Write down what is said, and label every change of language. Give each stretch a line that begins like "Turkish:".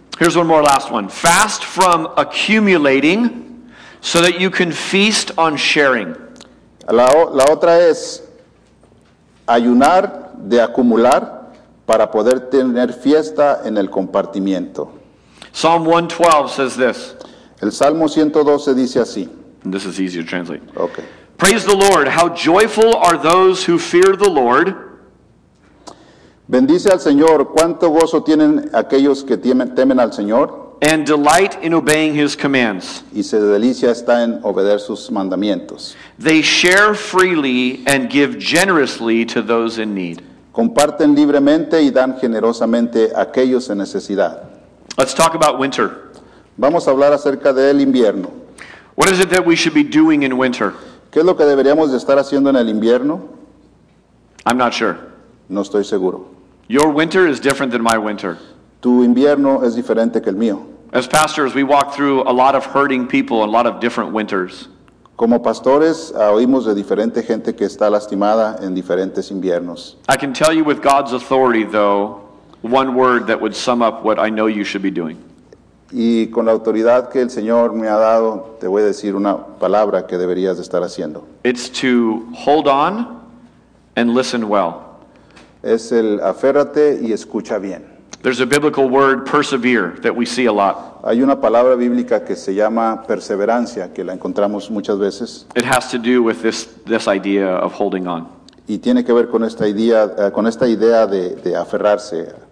English: Here's one more last one. Fast from accumulating so that you can feast on sharing.
Spanish: La otra es ayunar de acumular para poder tener fiesta en el compartimiento.
English: Psalm 112 says this.
Spanish: El Salmo 112 dice así.
English: And this is easier to translate. Okay. Praise the Lord. How joyful are those who fear the Lord.
Spanish: Bendice al Señor. ¿Cuánto gozo tienen aquellos que temen al Señor?
English: And delight in obeying his commands.
Spanish: Y se delicia está en obedecer sus mandamientos.
English: They share freely and give generously to those in need.
Spanish: Comparten libremente y dan generosamente a aquellos en necesidad.
English: Let's talk about winter.
Spanish: Vamos a hablar acerca del invierno.
English: What is it that we should be doing in winter?
Spanish: ¿Qué es lo que deberíamos de estar haciendo en el invierno?
English: I'm not sure.
Spanish: No estoy seguro.
English: Your winter is different than my winter.
Spanish: Tu invierno es diferente que el mío.
English: As pastors, we walk through a lot of hurting people, a lot of different winters.
Spanish: Como pastores, oímos de diferente gente que está lastimada en diferentes inviernos.
English: I can tell you with God's authority, though, one word that would sum up what I know you should be doing.
Spanish: Y con la autoridad que el Señor me ha dado, te voy a decir una palabra que deberías de estar haciendo.
English: It's to hold on and listen well.
Spanish: Es el aférrate y escucha bien.
English: There's a biblical word, persevere, that we see a lot.
Spanish: Hay una palabra bíblica que se llama perseverancia, que la encontramos muchas veces.
English: It has to do with this idea of holding on.
Spanish: Y tiene que ver con esta idea de aferrarse.